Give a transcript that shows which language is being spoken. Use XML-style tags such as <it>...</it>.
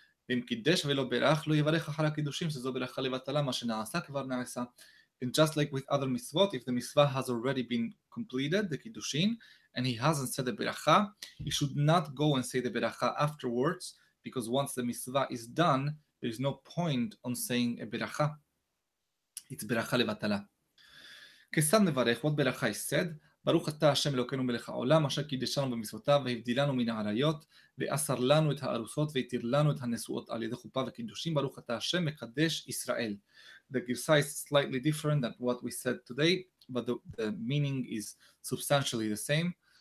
<en>And just like with other mitzvot, if the mitzvah has already been completed, the kiddushin, and he hasn't said the beracha, he should not go and say the beracha afterwards, because once the mitzvah is done, there is no point on saying a beracha. It's beracha levatala.</en> <he>Kesan mevarech,</he> <en>what beracha is said?</en> <he>ברוך אתה השם אלוקנו מלך העולם אשר קידשנו במצוותיו והבדילנו מן העריות ואסר לנו את הארוסות ויתיר לנו את הנשואות על ידי חופה וקידושים ברוך אתה השם מקדש ישראל.</he> <en>The gersa is slightly different than what we said today, but the meaning is substantially the same.</en>